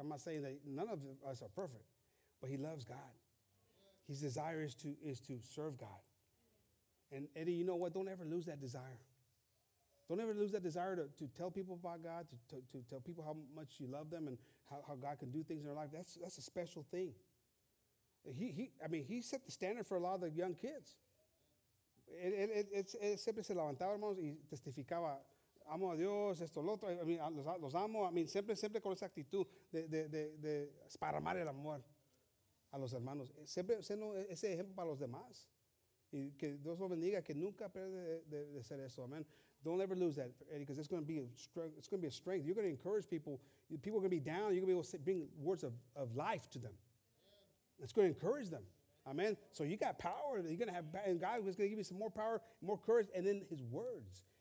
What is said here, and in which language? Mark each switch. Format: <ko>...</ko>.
<en>I'm not saying that none of us are perfect, but he loves God. His desire is to serve God. And Eddie, you know what? Don't ever lose that desire. Don't ever lose that desire to tell people about God, to tell people how much you love them and how God can do things in their life. That's a special thing. He set the standard for a lot of the young kids.</en> <es>Él siempre se levantaba, hermanos, y testificaba, amo a Dios, esto, lo otro, los amo.</es> <en>I mean,</en> <es>siempre con esa actitud de esparramar el amor a los hermanos. Siempre siendo ese ejemplo para los demás. Y que Dios lo bendiga, que nunca pierde de ser eso.</es> <en>Amen. Don't ever lose that, Eddie, because it's going to be a strength. You're going to encourage people. People are going to be down. You're going to be able to bring words of life to them. It's going to encourage them. Amen. So you got power. You're going to have, and God is going to give you some more power, more courage, and then his words.</en>